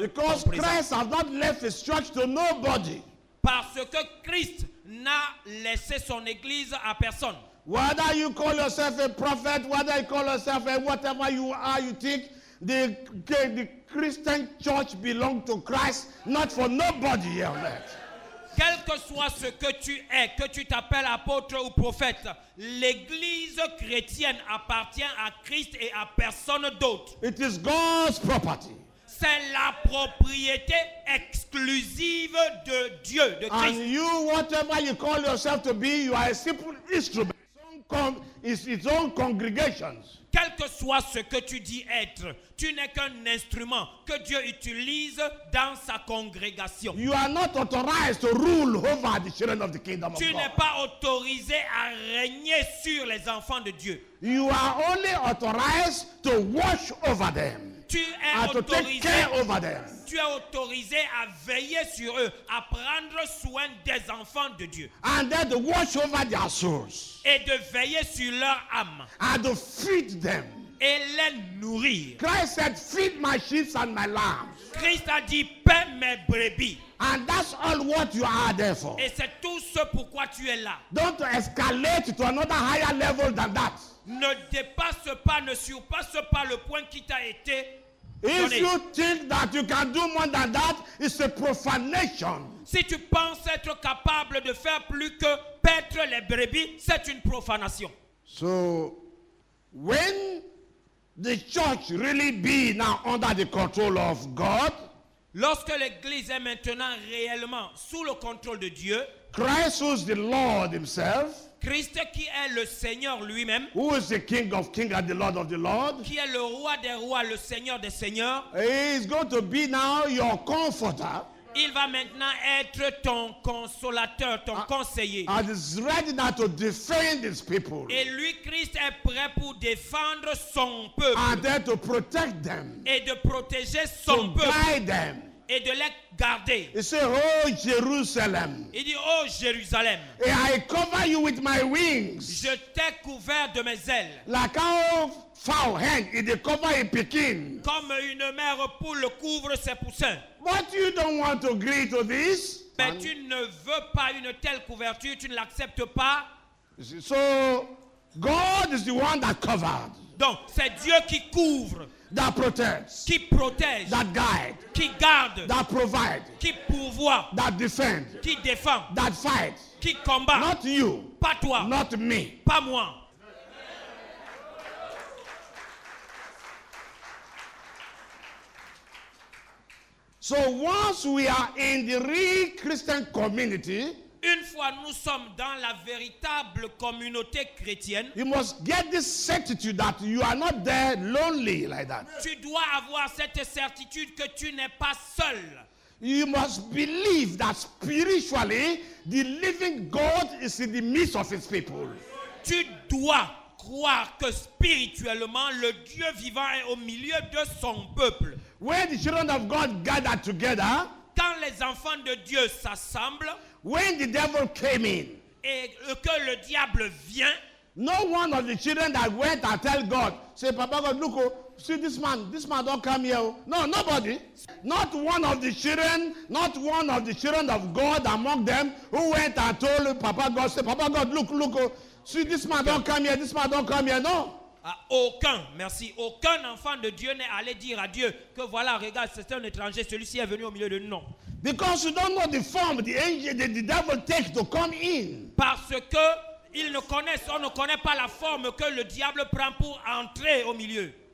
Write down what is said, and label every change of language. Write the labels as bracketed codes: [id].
[en] Because Christ has not left his church to nobody. [fr] Parce que Christ n'a laissé son église à personne. [en] Whether you call yourself a prophet, whether you call yourself a whatever you are, you think the Christian church belongs to Christ, not for nobody here on earth. [fr] Quel que soit ce que tu es, que tu t'appelles apôtre ou prophète, l'église chrétienne appartient à Christ et à personne d'autre. [en] It is God's property. [fr] C'est la propriété exclusive de Dieu, de Christ. [en] And you, whatever you call yourself to be, you are a simple instrument. It's own congregations. [fr] Quel que soit ce que tu dis être, tu n'es qu'un instrument que Dieu utilise dans sa congrégation. [en] You are not authorized to rule over the children of the kingdom of God. [fr] Tu n'es pas autorisé à régner sur les enfants de Dieu. [en] You are only authorized to watch over them. [fr] Tu es autorisé, [en] to take care over them. [fr] Tu es autorisé à veiller sur eux, à prendre soin des enfants de Dieu. [en] And then to watch over their souls. [fr] Et de veiller sur leur âme. [en] And to feed them. [fr] Et les nourrir. [en] Christ said, feed my sheep and my lambs. [fr] Christ a dit, paie mes brebis. [en] And that's all what you are there for. [fr] Et c'est tout ce pourquoi tu es là. [en] Don't escalate to another higher level than that. [fr] Ne dépasse pas, ne surpasse pas le point qui t'a été donné. [en] If you think that you can do more than that, it's a profanation. [fr] Si tu penses être capable de faire plus que paître les brebis, c'est une profanation. [en] So, when the church really be now under the control of God, [fr] lorsque l'église est maintenant réellement sous le contrôle de Dieu, [en] Christ is the Lord himself, [fr] Christ qui est le Seigneur lui-même, [en] who is the King of Kings and the Lord of the Lords, [fr] qui est le roi des rois, le Seigneur des seigneurs, [en] he is going to be now your comforter. [fr] Il va maintenant être ton consolateur, ton conseiller. [en] And is ready now to defend his people. [fr] Et lui, Christ, est prêt pour défendre son peuple. [en] And then to protect them. [fr] Et de protéger son [en] to [fr] peuple. [en] Guide them. [fr] Et de les garder. [en] He said, oh, Jerusalem. [fr] Il dit, oh, Jérusalem. [en] And I cover you with my wings. [fr] Je t'ai couvert de mes ailes. [en] Like how fowl hen, it is covered in Pekin. [fr] Comme une mère poule couvre ses poussins. [en] But you don't want to agree to this. [fr] Mais tu ne veux pas une telle couverture, tu ne l'acceptes pas. [en] So, God is the one that covered. [fr] Donc, c'est Dieu qui couvre. [en] That protects. [fr] Qui protège. [en] That guide. [fr] Qui garde. [en] That provide. [fr] Qui pourvoit. [en] That defend. [fr] Qui défend. [en] That fight. [fr] Qui combat. [en] Not you. [fr] Pas toi. [en] Not me. [fr] Pas moi. [en] So once we are in the real Christian community, [fr] une fois nous sommes dans la véritable communauté chrétienne, [en] you must get this certitude that you are not there lonely like that. [fr] Tu dois avoir cette certitude que tu n'es pas seul. [en] You must believe that spiritually the living God is in the midst of his people. [fr] Tu dois croire que spirituellement le Dieu vivant est au milieu de son peuple. [en] When the children of God gather together, [fr] quand les enfants de Dieu s'assemblent, [en] when the devil came in, [fr] et que le diable vient, [en] no one of the children that went and tell God, say, Papa God, look, see this man don't come here. No, nobody. Not one of the children, not one of the children of God among them who went and told Papa God, say, Papa God, look, see this man don't come here, no. [fr] Aucun, merci, aucun enfant de Dieu n'est allé dire à Dieu que voilà, regarde, c'est un étranger, celui-ci est venu au milieu de nous. Non. [en] Because you don't know the form the angel, the devil takes to come in. [fr] Parce que ils ne connaissent, on ne connaît pas la forme que le diable prend pour entrer au milieu.